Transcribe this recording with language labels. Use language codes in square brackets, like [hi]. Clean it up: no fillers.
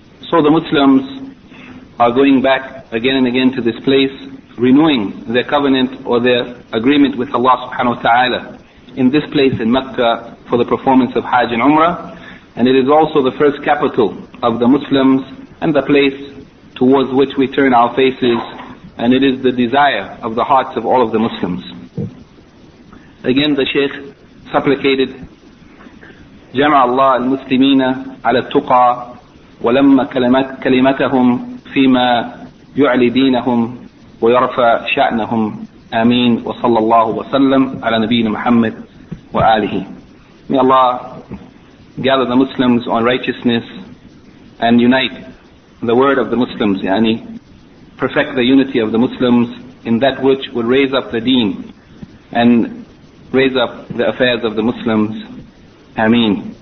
[en] So the Muslims are going back again and again to this place, renewing their covenant or their agreement with Allah subhanahu wa ta'ala in this place in Mecca for the performance of Hajj and Umrah. And it is also the first capital of the Muslims and the place towards which we turn our faces, and it is the desire of the hearts of all of the Muslims. Again, the Shaykh supplicated, [ar] جَمَعَ اللَّهُ الْمُسْلِمِينَ عَلَى التُّقَى وَلَمَّ كَلِمَتَهُمْ فِيمَا يُعْلِي دِينَهُمْ وَيَرْفَى شَأْنَهُمْ. آمين. وصلى الله وسلم على نبينا محمد وآله. [en] May Allah gather the Muslims on righteousness and unite the word of the Muslims, يعني perfect the unity of the Muslims in that which will raise up the deen and raise up the affairs of the Muslims. Ameen.